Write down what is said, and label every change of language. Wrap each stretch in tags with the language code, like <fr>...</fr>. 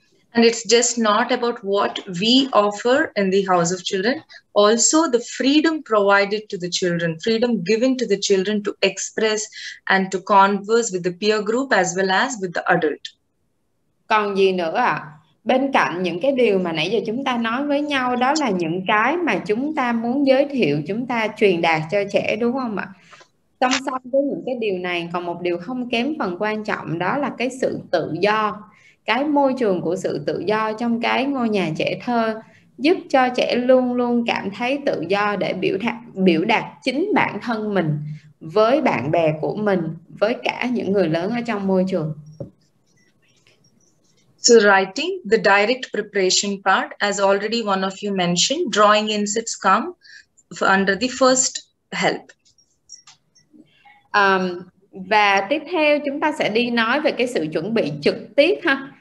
<en>And it's just not about what we offer in the house of children. Also, the freedom provided to the children, freedom given to the children to express and to converse with the peer group as well as with the adult.</en> <vi>Còn gì nữa ạ? Bên cạnh những cái điều mà nãy giờ chúng ta nói với nhau, đó là những cái mà chúng ta muốn giới thiệu, chúng ta truyền đạt cho trẻ, đúng không ạ? Song song với những cái điều này, còn một điều không kém phần quan trọng, đó là cái sự tự do. Cái môi trường của sự tự do trong cái ngôi nhà trẻ thơ giúp cho trẻ luôn luôn cảm thấy tự do để biểu đạt chính bản thân mình với bạn bè của mình, với cả những người lớn ở trong môi trường.</vi> <en>So writing, the direct preparation part, as already one of you mentioned, drawing insets come under the first help.</en> <vi>Và tiếp theo chúng ta sẽ đi nói về cái sự chuẩn bị trực tiếp ha.</vi>